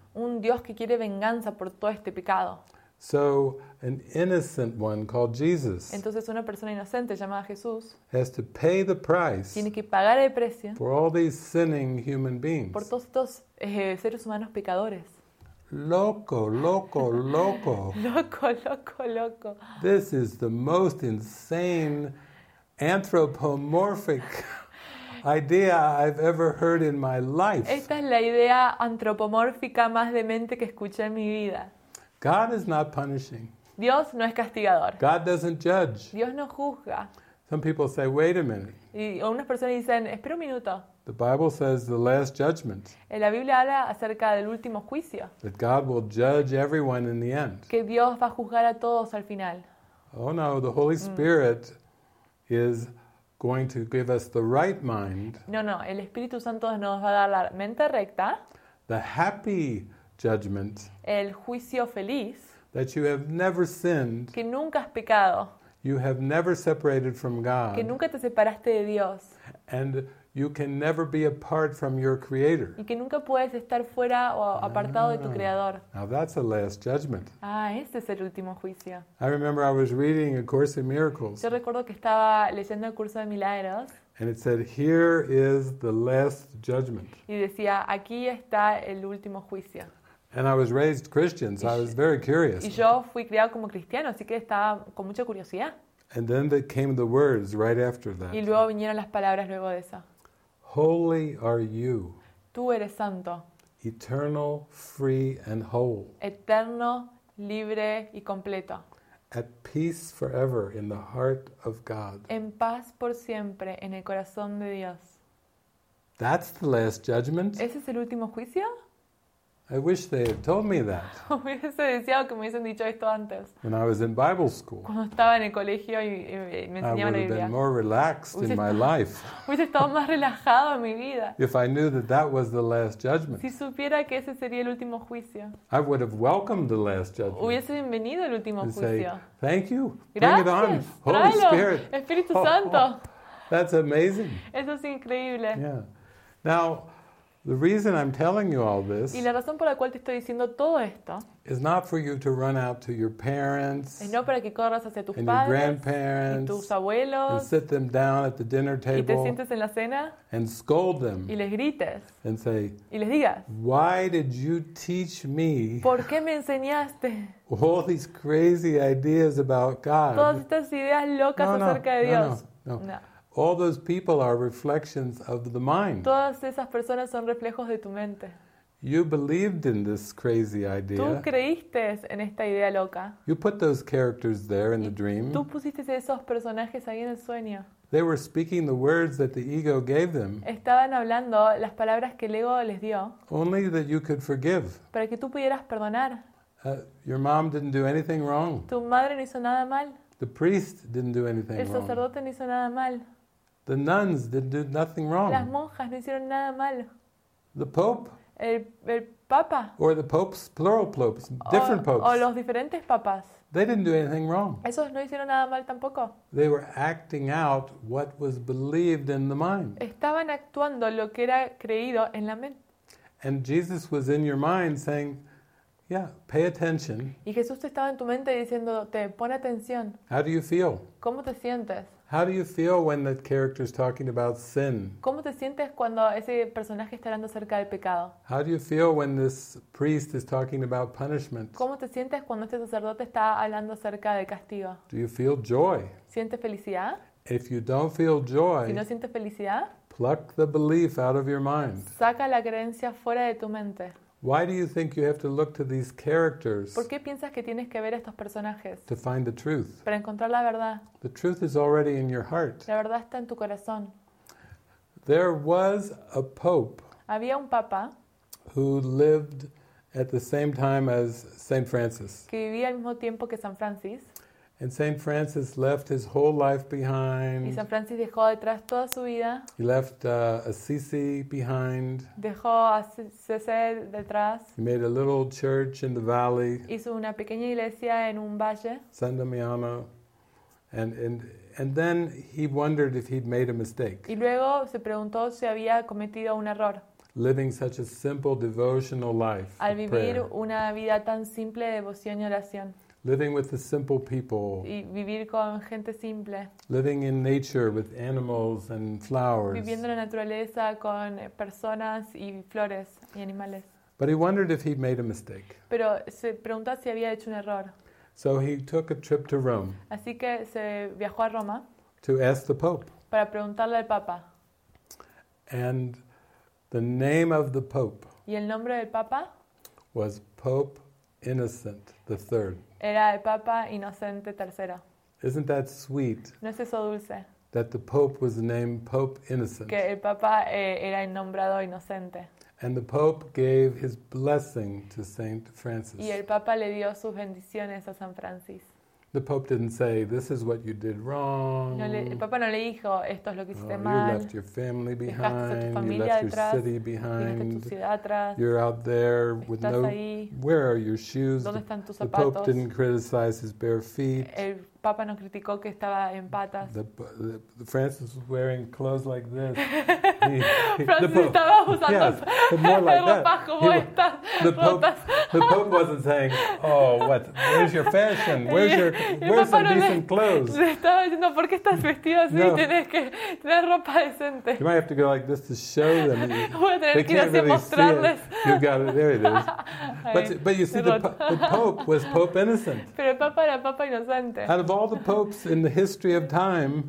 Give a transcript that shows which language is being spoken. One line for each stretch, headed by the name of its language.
Spanish: Un Dios que quiere venganza por todo este pecado.
English: So, an innocent one called Jesus.
Spanish: Entonces, una persona inocente llamada Jesús
English: has to pay the price.
Spanish: Tiene que pagar el precio
English: for all these sinning human beings.
Spanish: Por todos estos seres humanos pecadores. Loco, loco, loco. Loco, loco, loco.
English: This is the most insane anthropomorphic idea I've ever heard in my life.
Spanish: Esta es la idea antropomórfica más demente que escuché en mi vida.
English: God is not punishing.
Spanish: Dios no es castigador.
English: God doesn't judge.
Spanish: Dios no juzga.
English: Some people say, wait a minute.
Spanish: Y unas personas dicen, espera un minuto.
English: The Bible says the last judgment.
Spanish: La Biblia habla acerca del último juicio.
English: That God will judge everyone in the end.
Spanish: Que Dios va a juzgar a todos al final.
English: Oh no, the Holy Spirit is going to give us the right mind.
Spanish: No, no, el Espíritu Santo nos va a dar la mente recta.
English: The happy judgment.
Spanish: El juicio feliz.
English: That you have never sinned.
Spanish: Que nunca has pecado.
English: You have never separated from God.
Spanish: Que nunca te separaste de Dios.
English: And you can never be apart from your Creator.
Spanish: Y que nunca puedes estar fuera o apartado de tu Creador.
English: Now that's the last judgment.
Spanish: Ah, este es el último juicio.
English: I remember I was reading A Course in Miracles.
Spanish: Yo recuerdo que estaba leyendo El Curso de Milagros.
English: And it said, here is the last judgment.
Spanish: Y decía, aquí está el último juicio.
English: And I was raised Christian, so I was very curious.
Spanish: Y yo fui criado como cristiano, así que estaba con mucha curiosidad.
English: And then came the words right after that.
Spanish: Y luego vinieron las palabras luego de eso.
English: Holy are you.
Spanish: Tú eres santo.
English: Eternal, free and whole.
Spanish: Eterno, libre y completo.
English: At peace forever in the heart of God.
Spanish: En paz por siempre en el corazón de Dios.
English: That's the last judgment.
Spanish: ¿Ese es el último juicio?
English: I wish they had told me that.
Spanish: Hubiese deseado que me hubiesen dicho esto antes.
English: When I was in Bible school.
Spanish: Cuando estaba en el colegio y me enseñaban la Biblia.
English: I would have been more relaxed in my life.
Spanish: Hubiese estado más relajado en mi vida.
English: If I knew that that was the last judgment.
Spanish: Si supiera que ese sería el último juicio.
English: I would have welcomed the last judgment.
Spanish: Hubiese bienvenido el último juicio.
English: And say, thank you.
Spanish: Gracias.
English: Bring it on. Holy Spirit.
Spanish: Espíritu Santo.
English: That's amazing.
Spanish: Eso es increíble.
English: Yeah. Now, The reason I'm telling you all this
Spanish: y la razón por la cual te estoy diciendo todo esto
English: is not for you to run out to your parents
Spanish: y no para que corras hacia tus
English: and
Spanish: padres
English: your grandparents
Spanish: y tus abuelos
English: and sit them down at the dinner table
Spanish: y te sientes en la cena
English: and scold them
Spanish: y les grites
English: and say,
Spanish: y les digas,
English: why did you teach me,
Spanish: ¿por qué me enseñaste
English: all these crazy ideas about God?
Spanish: Todas estas ideas locas acerca de Dios.
English: No. All those people are reflections of the mind.
Spanish: Todas esas personas son reflejos de tu mente.
English: You believed in this crazy idea.
Spanish: Tú creíste en esta idea loca.
English: You put those characters there in the dream.
Spanish: Tú pusiste esos personajes ahí en el sueño.
English: They were speaking the words that the ego gave them.
Spanish: Estaban hablando las palabras que el ego les dio.
English: Only that you could forgive.
Spanish: Para que tú pudieras perdonar.
English: Your mom didn't do anything wrong.
Spanish: Tu madre no hizo nada mal.
English: The priest didn't do anything wrong.
Spanish: El sacerdote no hizo nada mal.
English: The nuns didn't do nothing wrong.
Spanish: Las monjas no hicieron nada mal.
English: The pope.
Spanish: El papa.
English: Or the popes, plural popes, different popes.
Spanish: O los diferentes papas.
English: They didn't do anything wrong.
Spanish: Esos no hicieron nada mal tampoco.
English: They were acting out what was believed in the mind.
Spanish: Estaban actuando lo que era creído en la mente.
English: And Jesus was in your mind saying, yeah, pay attention.
Spanish: Y Jesús estaba en tu mente diciéndote, pon atención.
English: How do you feel?
Spanish: ¿Cómo te sientes?
English: How do you feel when that character is talking about sin?
Spanish: ¿Cómo te sientes cuando ese personaje está hablando acerca del pecado?
English: How do you feel when this priest is talking about punishment?
Spanish: ¿Cómo te sientes cuando este sacerdote está hablando acerca del castigo?
English: Do you feel joy?
Spanish: ¿Sientes felicidad?
English: If you don't feel joy,
Spanish: si no sientes felicidad,
English: pluck the belief out of your mind.
Spanish: Saca la creencia fuera de tu mente.
English: Why do you think you have to look to these characters?
Spanish: ¿Por qué piensas que tienes que ver estos personajes?
English: To find the truth.
Spanish: Para encontrar la verdad.
English: The truth is already in your heart.
Spanish: La verdad está en tu corazón.
English: There was a pope.
Spanish: Había un papa.
English: Who lived at the same time as Saint Francis.
Spanish: Que vivía al mismo tiempo que San Francis.
English: And Saint Francis left his whole life behind.
Spanish: Y San Francis dejó detrás toda su vida.
English: He left Assisi behind.
Spanish: Dejó Assisi detrás.
English: He made a little church in the valley.
Spanish: Hizo una pequeña iglesia en un valle. San Damiano.
English: And then he wondered if he'd made a mistake.
Spanish: Y luego se preguntó si había cometido un error.
English: Living such a simple devotional life.
Spanish: Al vivir una vida tan simple de devoción y oración.
English: Living with the simple people.
Spanish: Y vivir con gente simple.
English: Living in nature with animals and flowers.
Spanish: Viviendo en la naturaleza con personas y flores y animales.
English: But he wondered if he'd made a mistake.
Spanish: Pero se preguntó si había hecho un error.
English: So he took a trip to Rome.
Spanish: Así que se viajó a Roma.
English: To ask the Pope.
Spanish: Para preguntarle al Papa.
English: And the name of the Pope.
Spanish: Y el nombre del Papa.
English: Was Pope Innocent III.
Spanish: Era el Papa Inocente III.
English: Isn't that sweet?
Spanish: ¿No es eso dulce?
English: That the Pope was named Pope Innocent.
Spanish: Que el Papa era nombrado Inocente.
English: And the Pope gave his blessing to Saint Francis.
Spanish: Y el Papa le dio sus bendiciones a San Francis.
English: The Pope didn't say, "This is what you did wrong."
Spanish: El Papa no le dijo, "Esto es lo que hiciste mal."
English: You left your family behind.
Spanish: Tu
English: you left
Spanish: atrás.
English: Your city behind.
Spanish: Tu ciudad atrás.
English: You're out there with
Spanish: estás no. Ahí.
English: Where are your shoes?
Spanish: ¿Dónde están tus
English: the
Spanish: zapatos?
English: Pope didn't criticize his bare feet.
Spanish: El Papa no criticó que estaba en patas.
English: The Francis was wearing clothes like this.
Spanish: Francis estaba usando
English: yes, more like that. The Pope wasn't saying, "Oh, what? Where's your fashion? Where's some decent clothes?"
Spanish: Le estaba diciendo, "¿Por qué estás vestido así? No. Tienes que tener ropa decente."
English: You might have to go like this to show them.
Spanish: Voy a tener
English: they can't
Spanish: que
English: really
Spanish: mostrarles.
English: See it. You've got it. There it is. But you see, the Pope was Pope Innocent.
Spanish: Pero el Papa era Papa Inocente.
English: Out of all the popes in the history of time,